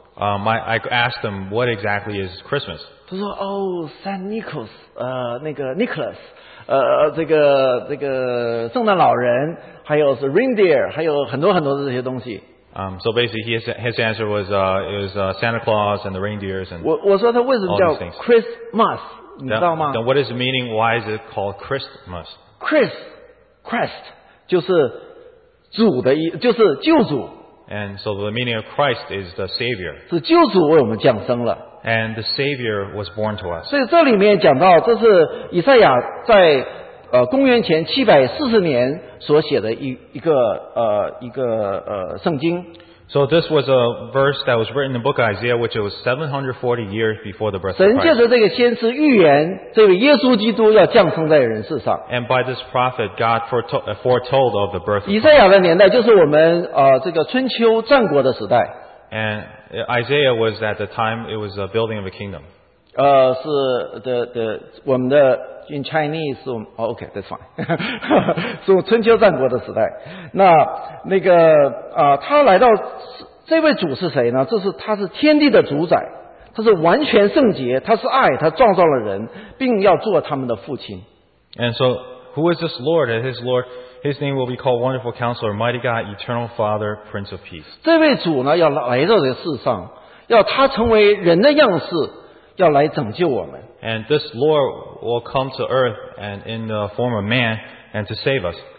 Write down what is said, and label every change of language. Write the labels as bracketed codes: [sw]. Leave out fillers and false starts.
[en] I asked them what exactly is Christmas. [zh] 他说 ，Oh, Saint Nicholas， 那个 Nicholas， 这个圣诞老人，还有是 reindeer， 还有很多很多这些东西。 [en] So basically, his answer was Santa Claus and the reindeers and. [zh] 我说他为什么叫 Christmas， 你知道吗 [en] ？Then what is the meaning? Why is it called Christmas? [zh] Christ 就是主的意，就是救主。 [en] And so the meaning of Christ is the Savior. [zh] 是救主为我们降生了。 [en] And the Savior was born to us. [zh] 所以这里面讲到，这是以赛亚在公元前740年所写的一个圣经。 [en] So this was a verse that was written in the book of Isaiah, which was 740 years before the birth of [zh] Christ. 神借着这个先知预言，这位耶稣基督要降生在人世上。 [en] And by this prophet, God foretold of the birth of Christ. [zh] 以赛亚的年代就是我们这个春秋战国的时代。 [en] And Isaiah was at the time, it was the building of a kingdom. [zh] 是的，我们的 [en] in Chinese, okay, that's fine. [zh] 是春秋战国的时代。那个他来到这位主是谁呢？他是天地的主宰，他是完全圣洁，他是爱，他创造了人，并要做他们的父亲。 [en] And so, who is this Lord? His name will be called Wonderful Counselor, Mighty God, Eternal Father, Prince of Peace. [zh] 这位主呢，要来到这个世上，要他成为人的样式，要来拯救我们。 [en] And this Lord will come to earth and in the form of man and to save us.